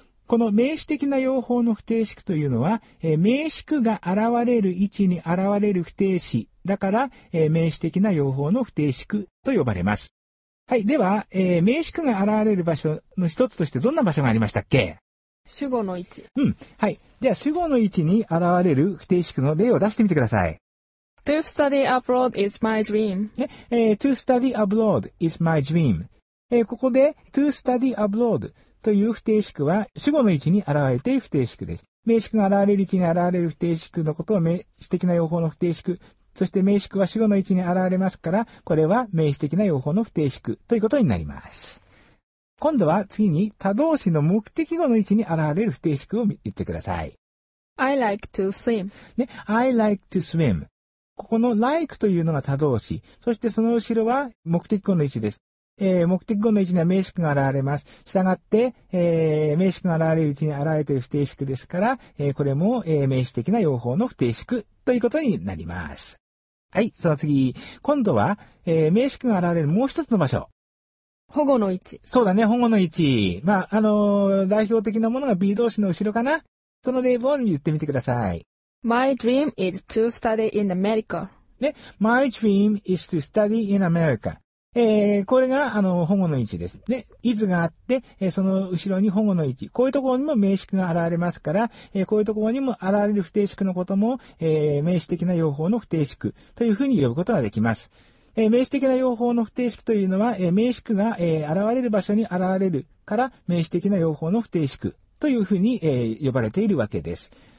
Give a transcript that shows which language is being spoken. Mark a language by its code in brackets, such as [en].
[ja] この名詞的な用法の不定詞句というのは、名詞句が現れる位置に現れる不定詞だから、名詞的な用法の不定詞句と呼ばれます。はい、では、名詞句が現れる場所の一つとしてどんな場所がありましたっけ？主語の位置。うん、はい。じゃあ主語の位置に現れる不定詞句の例を出してみてください。 [en] To study abroad is my dream. ね、to study abroad is my dream. [ja] ここで、 [en] to study abroad [ja] という不定詞句は、主語の位置に現れている不定詞句です。名詞句が現れる位置に現れる不定詞句のことを名詞的な用法の不定詞句、そして名詞句は主語の位置に現れますから、これは名詞的な用法の不定詞句ということになります。今度は次に、他動詞の目的語の位置に現れる不定詞句を言ってください。 [en] I like to swim. ね、I like to swim。 [ja] ここの like というのが他動詞。そしてその後ろは目的語の位置です。目的語の位置には名詞句が現れます。したがって、名詞句が現れるうちに現れている不定詞句ですから、これも、名詞的な用法の不定詞句ということになります。はい、その次。今度は、名詞句が現れるもう一つの場所。保護の位置。そうだね、保護の位置。まあ、代表的なものが B 動詞の後ろかな。その例文を言ってみてください。 [en] My dream is to study in America. ね、My dream is to study in America. [ja] これが、保護の位置です。ね、is があって、その後ろに保護の位置。こういうところにも名詞句が現れますから、こういうところにも現れる不定詞句のことも、名詞的な用法の不定詞句というふうに呼ぶことができます。名詞的な用法の不定詞句というのは、名詞句が、現れる場所に現れるから、名詞的な用法の不定詞句というふうに、呼ばれているわけです。